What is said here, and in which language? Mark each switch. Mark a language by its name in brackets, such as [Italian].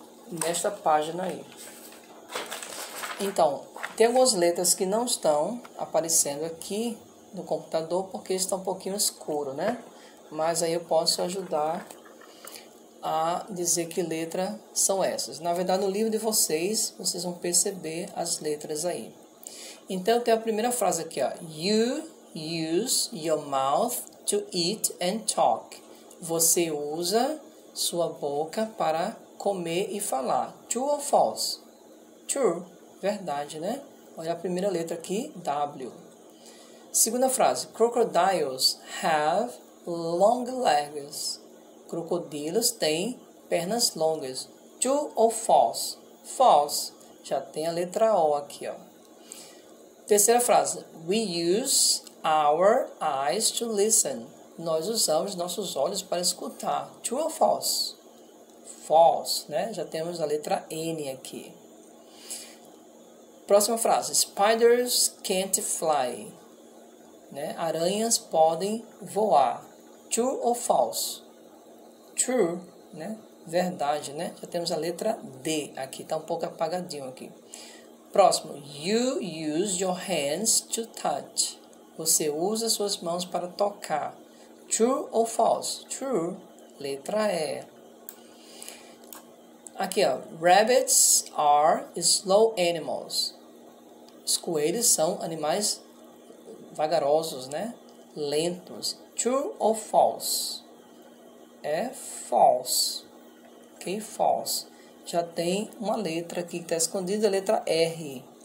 [Portuguese] Nesta página aí. Então, tem algumas letras que não estão aparecendo aqui no computador porque está um pouquinho escuro, né? Mas aí eu posso ajudar a dizer que letra são essas. Na verdade, no livro de vocês, vocês vão perceber as letras aí. Então, tem a primeira frase aqui, ó. [English] You use your mouth to eat and talk. [Portuguese] Você usa sua boca para comer e falar. [English] True or false? True. [Portuguese] Verdade, né? Olha a primeira letra aqui, W. Segunda frase. [English] Crocodiles have long legs. [Portuguese] Crocodilos têm pernas longas. [English] True or false? False. [Portuguese] Já tem a letra O aqui, ó. Terceira frase. [English] We use our eyes to listen. [Portuguese] Nós usamos nossos olhos para escutar. [English] True or false? [Portuguese] False, né? Já temos a letra N aqui. Próxima frase. [English] Spiders can't fly. [Portuguese] Né? Aranhas podem voar. [English] True or false? [Portuguese] True, né? Verdade, né? Já temos a letra D aqui. Está um pouco apagadinho aqui. Próximo. [English] You use your hands to touch. [Portuguese] Você usa suas mãos para tocar. [English] True or false? True. [Portuguese] Letra E. Aqui, ó. [English] Rabbits are slow animals. [Portuguese] Os coelhos são animais vagarosos, né? Lentos. [English] True or false? [Portuguese] É false. Ok? False. Já tem uma letra aqui que está escondida, a letra R.